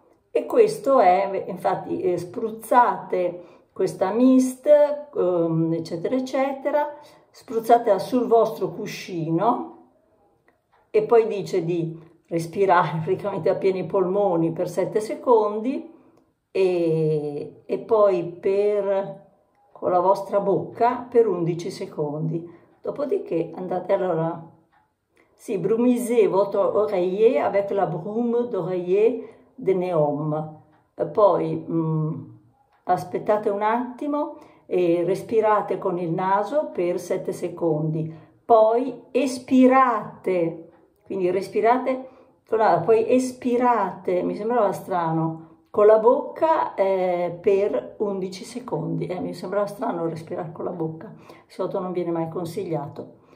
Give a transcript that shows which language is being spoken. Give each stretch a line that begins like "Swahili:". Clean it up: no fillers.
Italian: E questo è, infatti, spruzzate questa mist, eccetera, eccetera, spruzzatela sul vostro cuscino e poi dice di respirare praticamente a pieni polmoni per 7 secondi e poi con la vostra bocca per 11 secondi. Dopodiché andate, allora, sì,
French: brumisez votre oreiller avec la brume d'oreiller de Neom.
Italian: Poi, aspettate un attimo e respirate con il naso per 7 secondi, poi espirate, quindi respirate, poi espirate, mi sembrava strano, con la bocca per 11 secondi, mi sembrava strano respirare con la bocca, di solito non viene mai consigliato.